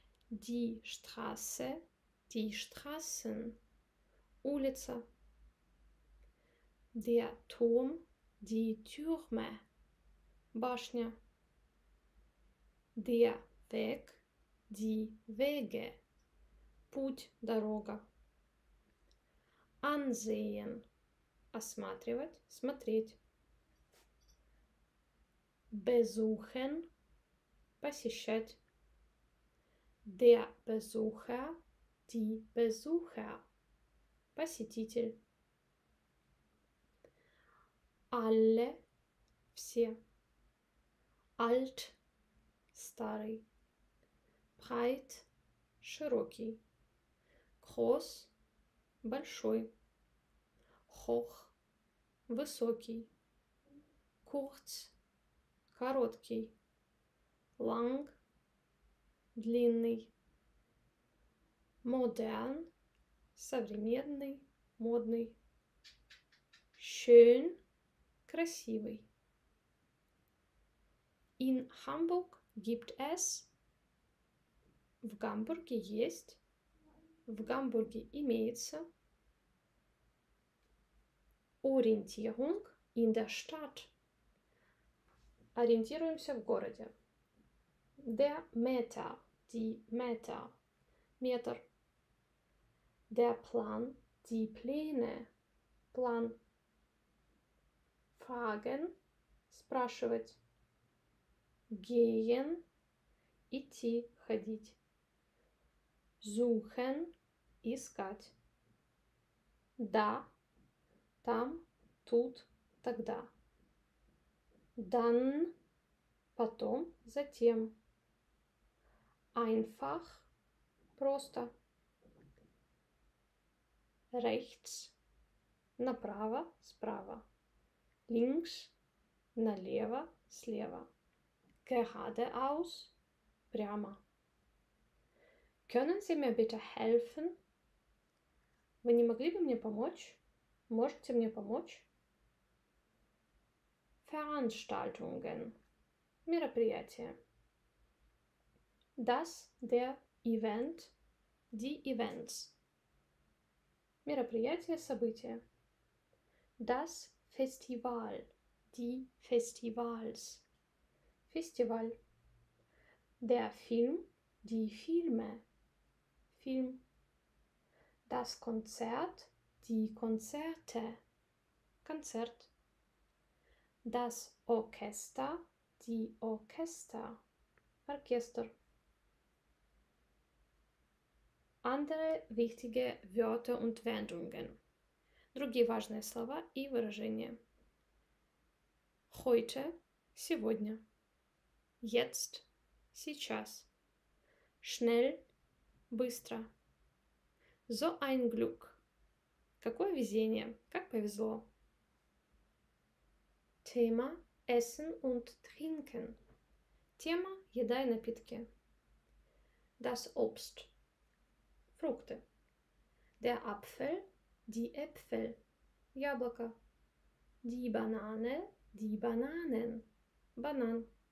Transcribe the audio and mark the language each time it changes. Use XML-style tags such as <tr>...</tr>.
<de>Die Straße, die Straßen,</de> <ru>улица.</ru> <de>Der Turm, die Türme,</de> <ru>башня.</ru> <de>Der Weg, die Wege,</de> <ru>путь, дорога.</ru> <de>Ansehen,</de> <ru>осматривать, смотреть.</ru> <de>Besuchen,</de> <ru>посещать.</ru> <de>Der Besucher, die Besucher,</de> <ru>посетитель.</ru> <de>Alle,</de> <ru>все.</ru> <de>Alt,</de> <ru>старый.</ru> <de>Breit,</de> <ru>широкий.</ru> <de>Groß,</de> <ru>большой.</ru> <de>Hoch,</de> <ru>высокий.</ru> <de>Kurz,</de> <ru>короткий.</ru> <de>Lang,</de> <ru>длинный.</ru> <de>Modern,</de> <ru>современный, модный.</ru> <de>Schön,</de> <ru>красивый.</ru> <de>In Hamburg gibt es.</de> <ru>В Гамбурге есть. В Гамбурге имеется.</ru> <de>Orientierung in der Stadt.</de> <ru>Ориентируемся в городе.</ru> <de>Der Meter, die Meter,</de> <ru>метр.</ru> <de>Der Plan, die Pläne,</de> <ru>план.</ru> <de>Fragen,</de> <ru>спрашивать.</ru> <de>Gehen,</de> <ru>идти, ходить.</ru> <de>Suchen,</de> <ru>искать. Да, там, тут, тогда.</ru> <de>Dann,</de> <ru>потом, затем.</ru> <de>Einfach,</de> <ru>просто.</ru> <de>Rechts,</de> <ru>направо, справа.</ru> <de>Links,</de> <ru>налево, слева.</ru> <de>Geradeaus,</de> <ru>прямо.</ru> <de>Können Sie mir bitte helfen?</de> <ru>Вы не могли бы мне помочь? Можете мне помочь?</ru> <de>Veranstaltungen,</de> <ru>мероприятия.</ru> <de>Das, der Event, die Events.</de> <ru>Мероприятие, событие.</ru> <de>Das Festival, die Festivals.</de> <ru>Фестиваль.</ru> <de>Der Film, die Filme.</de> <ru>Фильм.</ru> <de>Das Konzert, die Konzerte.</de> <ru>Концерт.</ru> <de>Das Orchester, die Orchester.</de> <ru>Оркестр.</ru> <de>Andere wichtige Wörter und Wendungen.</de> <ru>Другие важные слова и выражения.</ru> <de>Heute,</de> <ru>сегодня.</ru> <de>Jetzt,</de> <ru>сейчас.</ru> <de>Schnell,</de> <ru>быстро.</ru> <de>So ein Glück.</de> <ru>Какое везение, как повезло.</ru> <de>Thema, Essen und Trinken.</de> <ru>Тема, еда и напитки.</ru> <de>Das Obst. Frukte. Der Apfel, die Äpfel,</de> <ru>яблоко.</ru> <de>Die Banane, die Bananen,</de> <ru>банан.</ru>